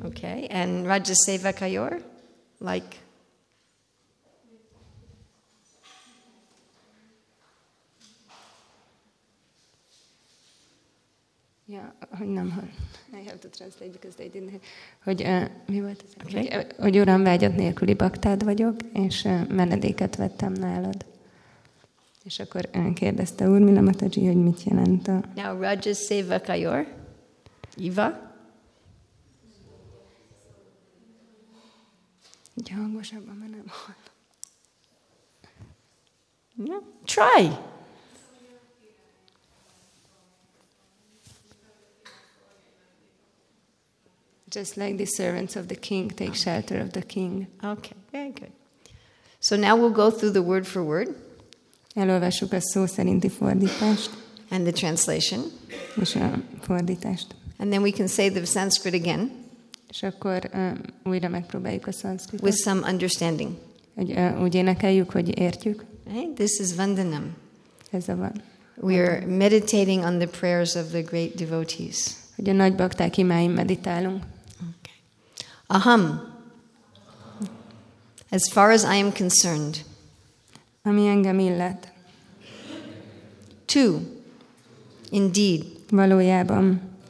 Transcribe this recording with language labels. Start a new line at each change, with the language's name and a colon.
English: Okay. And Rajasevakayor? Like? Yeah,
Hungarian: hogy nem hall.
English: I have to translate because they didn't hear.
Hungarian: Hogy mi volt ez? Okay. Hogy uram, vágyat nélküli baktád vagyok, és menedéket vettem nálad. És akkor kérdezte Urmila Mataji, hogy mit jelent a...
English: Now, Rajasevakayor? Iva?
Hungarian: Így hangosabban, mert nem hall.
English: Yeah. Try! Just like the servants of the king take shelter of the king. Okay, very good. So now we'll go through the word for word.
Hungarian: Elolvassuk a szó szerinti fordítást.
English: And the translation.
Hungarian: És a fordítást.
English: And then we can say the Sanskrit again.
Hungarian: És akkor újra megpróbáljuk a Sanskritot.
English: With some understanding.
Hungarian: Úgy énekeljük, hogy értjük.
English: Okay, this is Vandanam.
Hungarian: Ez a van.
English: We are meditating on the prayers of the great devotees.
Hungarian: Hogy a nagy bakták imáin meditálunk.
English: Okay. Aham. As far as I am concerned.
Hungarian: Ami engem illet.
English: Two. Indeed.
Hungarian: Valójában.